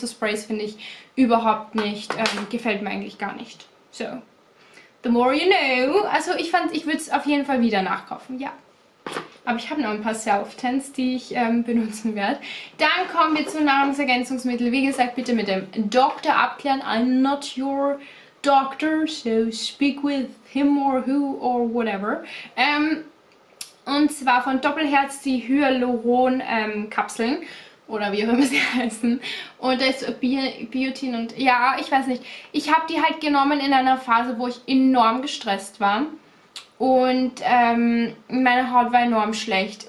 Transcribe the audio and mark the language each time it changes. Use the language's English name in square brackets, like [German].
[German] So Sprays finde ich überhaupt nicht. Gefällt mir eigentlich gar nicht. So, [English] the more you know. [German] Also ich würde es auf jeden Fall wieder nachkaufen, ja. Aber ich habe noch ein paar Self-Tans, die ich benutzen werde. Dann kommen wir zu Nahrungsergänzungsmitteln. Wie gesagt, bitte mit dem Doktor abklären. [English] I'm not your doctor, so speak with him or who or whatever. [German] Und zwar von Doppelherz die Hyaluron-Kapseln. Oder wie auch immer sie heißen. Und da ist Biotin und ja, ich weiß nicht. Ich habe die halt genommen in einer Phase, wo ich enorm gestresst war. Und meine Haut war enorm schlecht.